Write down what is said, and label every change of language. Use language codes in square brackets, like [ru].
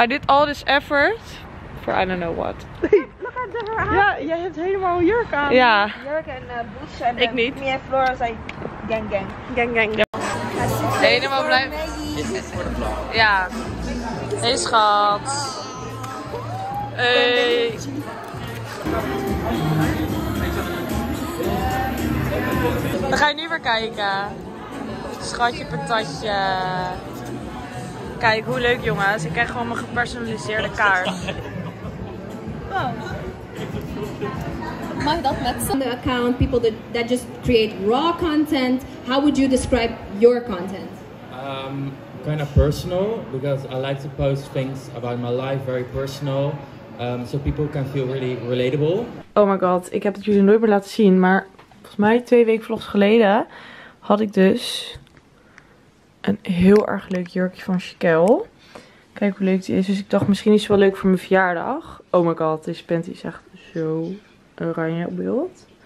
[en] I did all this effort for I don't know what. Look at her haar. [nl] Ja, jij hebt helemaal een jurk aan. Ja. Jurk en boots. Ik niet. Me en Floor zijn gang gang. Gang gang. Helemaal blij. Ja. Hey schat. Hey. Dan ga je nu weer kijken. Schatje patatje. Kijk hoe leuk jongens. Ik krijg gewoon mijn gepersonaliseerde kaart. Oh. Mag dat met z'n account? [en] People that just create raw content. How would you describe your content? Kind of personal, because I like to post things about my life, very personal, so people can feel really relatable. Oh my god, [nl] ik heb het jullie nooit meer laten zien, maar volgens mij 2 weken vlogs geleden had ik dus een heel erg leuk jurkje van Chiquel. Kijk hoe leuk die is, dus ik dacht misschien is het wel leuk voor mijn verjaardag. [en] Oh my god, [nl] deze panty is echt zo oranje op beeld.